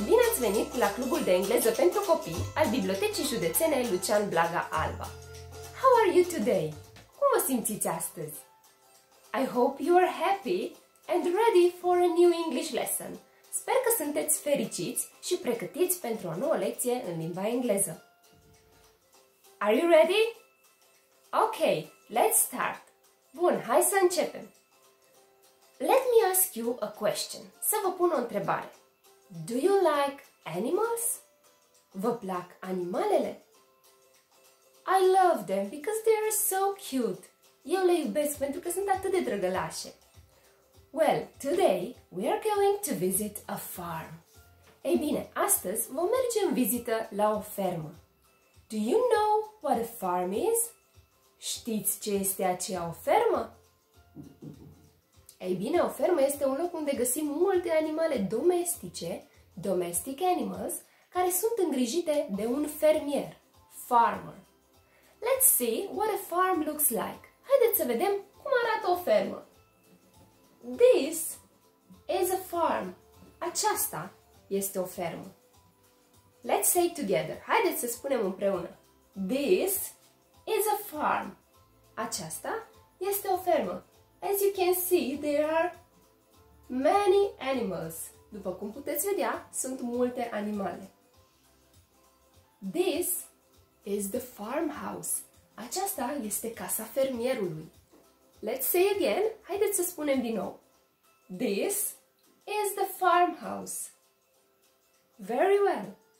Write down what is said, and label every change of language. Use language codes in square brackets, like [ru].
[ro] Bine ați venit la Clubul de Engleză pentru Copii al Bibliotecii Județene Lucian Blaga Alba. [en] How are you today? [ro] Cum vă simțiți astăzi? [en] I hope you are happy and ready for a new English lesson. [ro] Sper că sunteți fericiți și pregătiți pentru o nouă lecție în limba engleză. [en] Are you ready? Ok, let's start! [ro] Bun, hai să începem! [en] Let me ask you a question. [ro] Să vă pun o întrebare. [en] Do you like animals? [ro] Vă plac animalele? [en] I love them because they are so cute. [ro] Eu le iubesc pentru că sunt atât de drăgălașe. [en] Well, today we are going to visit a farm. [ro] Ei bine, astăzi vom merge în vizită la o fermă. [en] Do you know what a farm is? [ro] Știți ce este aceea o fermă? Ei bine, o fermă este un loc unde găsim multe animale domestice, [en] domestic animals, [ro] care sunt îngrijite de un fermier, farmer. [en] Let's see what a farm looks like. [ro] Haideți să vedem cum arată o fermă. [en] This is a farm. [ro] Aceasta este o fermă. [en] Let's say it together. [ro] Haideți să spunem împreună. [en] This is a farm. [ro] Aceasta este o fermă. [en] As you can see, there are many animals. [ro] După cum puteți vedea, sunt multe animale. [en] This is the farmhouse. [ro] Aceasta este casa fermierului. [en] Let's say again. [ro] Haideți să spunem din nou. [en] This is the farmhouse. Very well.